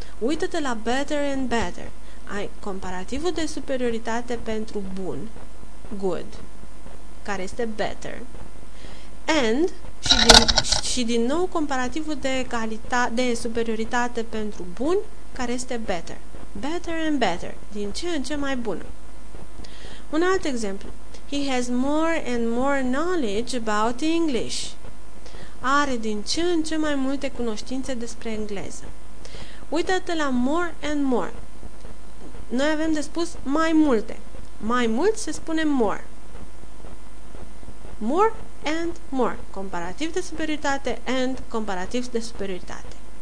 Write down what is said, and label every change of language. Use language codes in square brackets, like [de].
[ro] Uită-te la better and better. Ai comparativul de superioritate pentru bun, good, care este better, and și din nou comparativul de egalitate, de superioritate pentru bun, care este better. [en] Better and better, [ro] din ce în ce mai bună. Un alt exemplu. [en] He has more and more knowledge about English. [ro] Are din ce în ce mai multe cunoștințe despre engleză. Uită-te la more and more. Noi avem de spus mai multe. Mai mult se spune more. [en] More and more. [ro] Comparativ de superioritate and comparativ de superioritate.